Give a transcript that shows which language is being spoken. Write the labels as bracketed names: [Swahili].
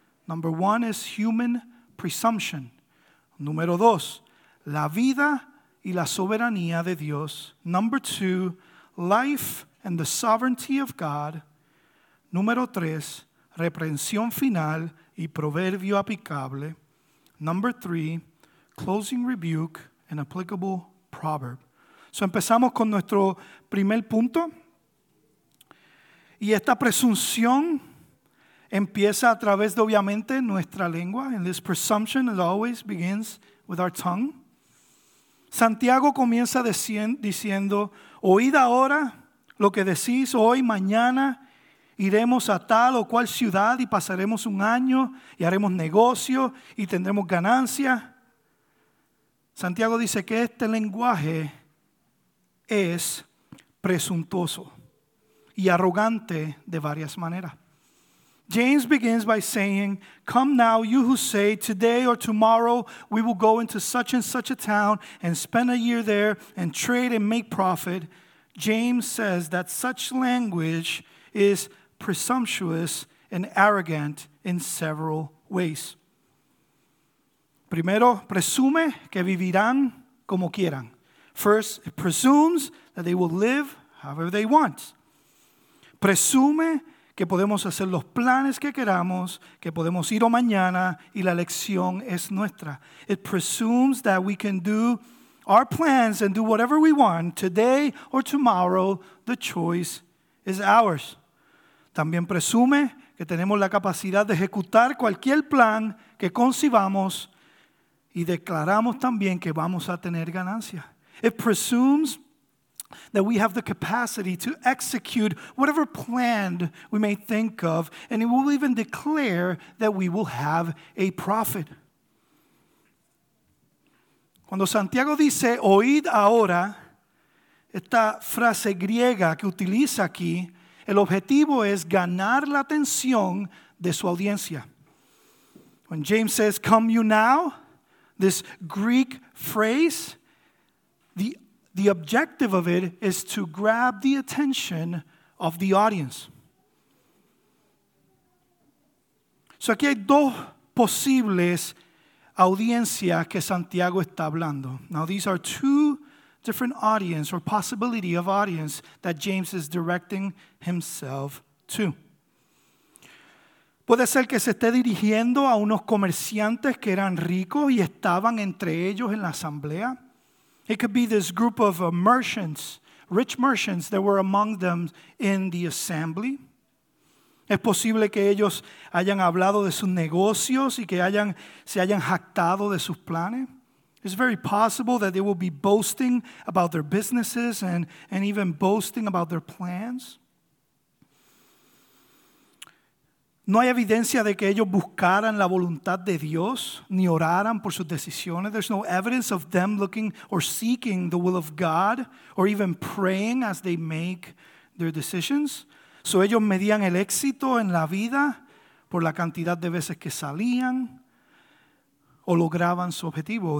[English] Number one is human presumption. [Spanish] Número dos, la vida y la soberanía de Dios. [English] Number two, life and the sovereignty of God. [Spanish] Número tres, reprensión final y proverbio aplicable. [English] Number three, closing rebuke and applicable proverb. [Spanish] So empezamos con nuestro primer punto. Y esta presunción empieza a través de, obviamente, nuestra lengua. [English] And this presumption always begins with our tongue. [Spanish] Santiago comienza diciendo, oíd ahora lo que decís, hoy, mañana, iremos a tal o cual ciudad y pasaremos un año y haremos negocio y tendremos ganancia. Santiago dice que este lenguaje es presuntuoso y arrogante de varias maneras. [English] James begins by saying, come now, you who say, today or tomorrow we will go into such and such a town and spend a year there and trade and make profit. James says that such language is presumptuous and arrogant in several ways. [Spanish] Primero, presume que vivirán como quieran. [English] First, it presumes that they will live however they want. [Spanish] Presume que podemos hacer los planes que queramos, que podemos ir o mañana y la elección es nuestra. [English] It presumes that we can do our plans and do whatever we want today or tomorrow. The choice is ours. [Spanish] También presume que tenemos la capacidad de ejecutar cualquier plan que concibamos y declaramos también que vamos a tener ganancia. [English] It presumes that we have the capacity to execute whatever plan we may think of, and it will even declare that we will have a profit. [Spanish] Cuando Santiago dice, oíd ahora, esta frase griega que utiliza aquí, el objetivo es ganar la atención de su audiencia. [English] When James says, come you now, this Greek phrase, the objective of it is to grab the attention of the audience. [Spanish] So aquí hay dos posibles audiencias que Santiago está hablando. [English] Now these are two different audience or possibility of audience that James is directing himself to. [Spanish] Puede ser que se esté dirigiendo a unos comerciantes que eran ricos y estaban entre ellos en la asamblea. [English] It could be this group of merchants, rich merchants that were among them in the assembly. [Spanish] Es posible que ellos hayan hablado de sus negocios y que se hayan jactado de sus planes. [English] It's very possible that they will be boasting about their businesses and even boasting about their plans. [Spanish] No hay evidencia de que ellos buscaran la voluntad de Dios ni oraran por sus decisiones. [English] There's no evidence of them looking or seeking the will of God or even praying as they make their decisions. [Spanish] So ellos medían el éxito en la vida por la cantidad de veces que salían o lograban su objetivo.